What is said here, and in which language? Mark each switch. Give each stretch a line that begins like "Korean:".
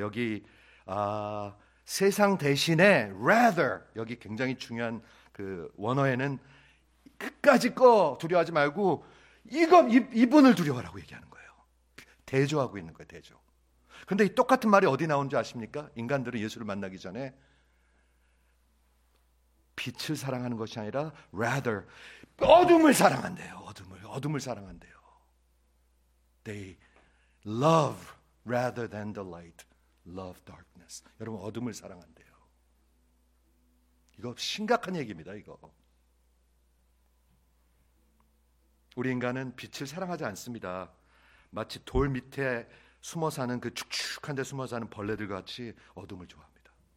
Korean: 여기 세상 대신에 rather, 여기 굉장히 중요한 그 원어에는 끝까지 거 두려워하지 말고 이거 이분을 두려워하라고 얘기하는 거예요. 대조하고 있는 거예요. 대조. 근데 이 똑같은 말이 어디 나온 줄 아십니까? 인간들은 예수를 만나기 전에 빛을 사랑하는 것이 아니라 rather 어둠을 사랑한대요. 어둠을 사랑한대요.
English: They love rather than the light, love darkness.
Korean: 여러분 어둠을 사랑한대요. 이거 심각한 얘기입니다. 이거. 우리 인간은 빛을 사랑하지 않습니다. 마치 돌 밑에 숨어 사는 그 축축한 데 숨어 사는 벌레들과 같이 어둠을 좋아합니다.